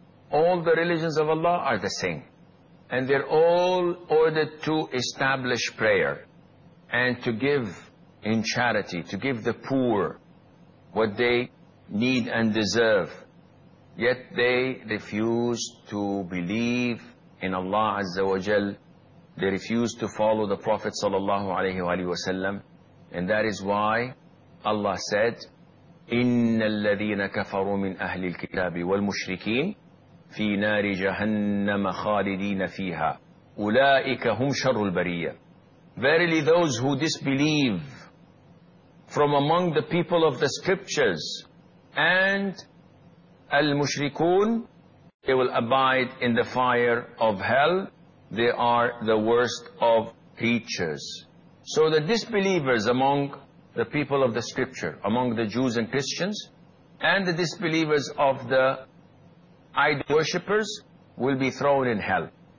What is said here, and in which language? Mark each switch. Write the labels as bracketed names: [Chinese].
[English] All the religions of Allah are the same. And they're all ordered to establish prayer and to give in charity, to give the poor what they need and deserve. Yet they refuse to believe in Allah Azza wa Jal. They refuse to follow the Prophet Sallallahu Alaihi Wasallam. And that is why Allah said, [Arabic] إِنَّ الَّذِينَ كَفَرُوا مِنْ أَهْلِ الْكِتَابِ وَالْمُشْرِكِينَ فِي نَارِ جَهَنَّمَ خَالِدِينَ فِيهَا أُولَٰئِكَ هُمْ شَرُّ الْبَرِيَّةِ. [English] Verily those who disbelieve from among the people of the scriptures and al-mushrikun, they will abide in the fire of hell. They are the worst of creatures. So the disbelievers among the people of the scripture, among the Jews and Christians, and the disbelievers of the idol worshippers will be thrown in hell.